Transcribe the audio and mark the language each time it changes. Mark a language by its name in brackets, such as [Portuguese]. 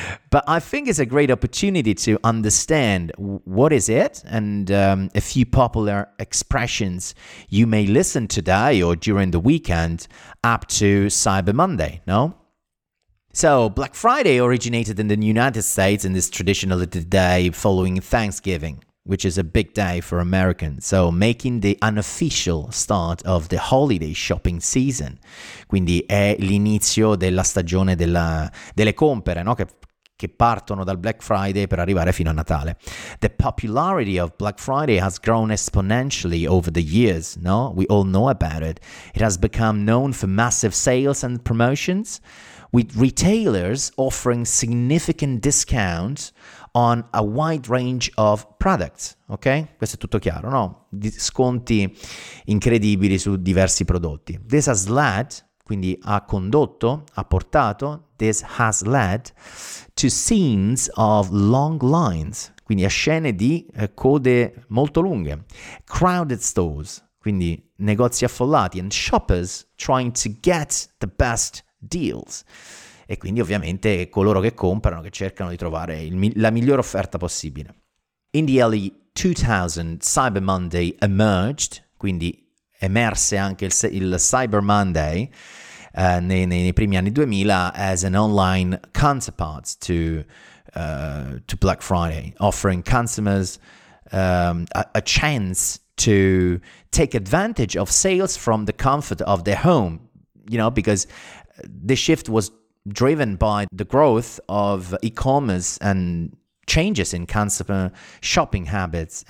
[English] But I think it's a great opportunity to understand what is it and a few popular expressions you may listen today or during the weekend up to Cyber Monday, no? So Black Friday originated in the United States in this traditional little day following Thanksgiving, which is a big day for Americans, so making the unofficial start of the holiday shopping season. [Italian] Quindi è l'inizio della stagione delle compere, no? Che partono dal Black Friday per arrivare fino a Natale. [English] The popularity of Black Friday has grown exponentially over the years, no? We all know about it. It has become known for massive sales and promotions, with retailers offering significant discounts on a wide range of products, ok? [Italian] Questo è tutto chiaro, no? Sconti incredibili su diversi prodotti. [English] This has led, [Italian] quindi ha condotto, ha portato, [English] this has led to scenes of long lines, [Italian] quindi a scene di code molto lunghe, [English] crowded stores, [Italian] quindi negozi affollati, [English] and shoppers trying to get the best deals. [Italian] E quindi ovviamente coloro che comprano, che cercano di trovare la migliore offerta possibile. [English] In the early 2000, Cyber Monday emerged, [Italian] quindi emerse anche il Cyber Monday nei primi anni 2000 [English] as an online counterpart to Black Friday, offering consumers a chance to take advantage of sales from the comfort of their home, you know, because the shift was driven by the growth of e-commerce and changes in consumer shopping habits.